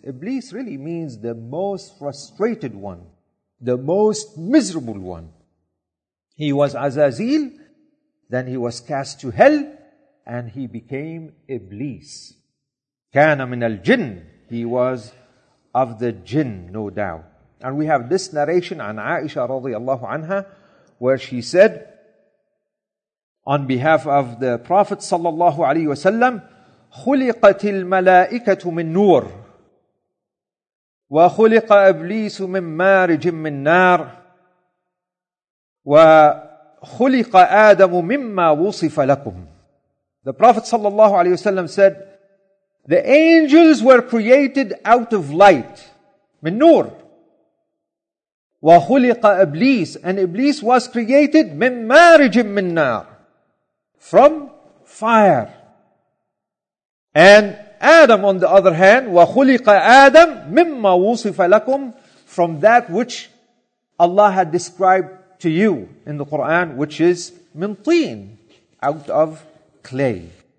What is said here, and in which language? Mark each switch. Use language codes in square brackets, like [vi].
[en] Iblis really means the most frustrated one, the most miserable one. He was Azazil, then he was cast to hell, and he became Iblis. [ar] كان من الجن. [en] He was of the jinn, no doubt. And we have this narration [ar] عن عائشة رضي الله عنها, [en] where she said, on behalf of the Prophet [ar] صلى الله عليه وسلم, خلقت الملائكة من نور وخلق إبليس من مارج من نار وخلق آدم مما وصف لكم. [en] The Prophet sallallahu alaihi wasallam said, the angels were created out of light, [ar] من نور. وخلق إبليس, and إبليس [en] was created [ar] من مارج من نار, [en] from fire. And Adam, on the other hand, [ar] وَخُلِقَ آدَمْ مِمَّا وُصِفَ لَكُمْ, [en] from that which Allah had described to you in the Quran, which is [ar] مِنْ طِين, [en] out of clay.